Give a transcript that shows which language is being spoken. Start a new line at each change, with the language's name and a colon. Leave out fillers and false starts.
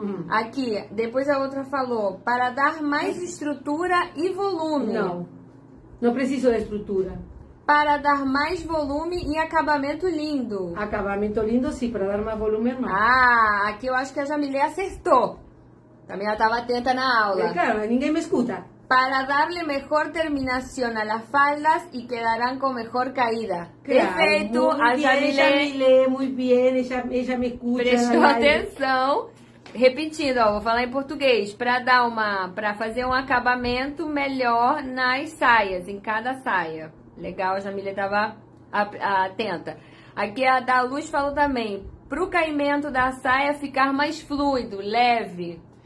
Portuguese: Aqui, depois a outra falou, para dar mais estrutura e volume. Não, não preciso da estrutura. Para dar mais volume e acabamento lindo. Acabamento lindo, sim, para dar mais volume é mais. Ah, aqui eu acho que a Jamilé acertou. Também ela estava atenta na aula. É, cara, ninguém me escuta.
Spanish: Para darle mejor terminación a las faldas y quedarán con mejor caída. Claro, perfecto, Jamilé. Muy bien, ella me escucha.
Portuguese: Prestou atención. Repetindo, ó, vou falar em português. Para fazer um acabamento melhor nas saias, em cada saia. Legal, a Jamilé estava atenta. Aqui a da Luz falou também. Para o caimento da saia ficar mais fluido, leve.